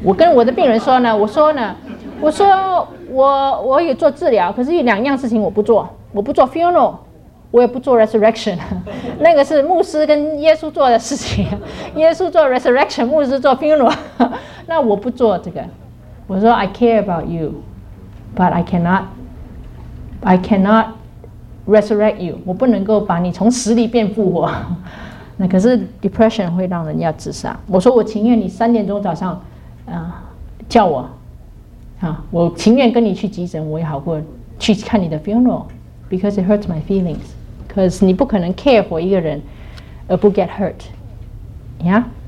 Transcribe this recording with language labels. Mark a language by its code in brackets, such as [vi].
[zh] 我跟我的病人说呢，我说我也做治疗，可是有两样事情我不做，我不做 funeral， 我也不做 resurrection， 那个是牧师跟耶稣做的事情，耶稣做 resurrection， 牧师做 funeral， 那我不做这个。 [en] 我说 I care about you， but I cannot resurrect you， [zh] 我不能够把你从死里变复活。那可是 depression 会让人要自杀。我说我情愿你三点钟早上，叫我，啊，我情愿跟你去急诊，我也好过去看你的 funeral， [en] because it hurts my feelings， [zh] because 你不可能 care for 一个人而不 get hurt， yeah。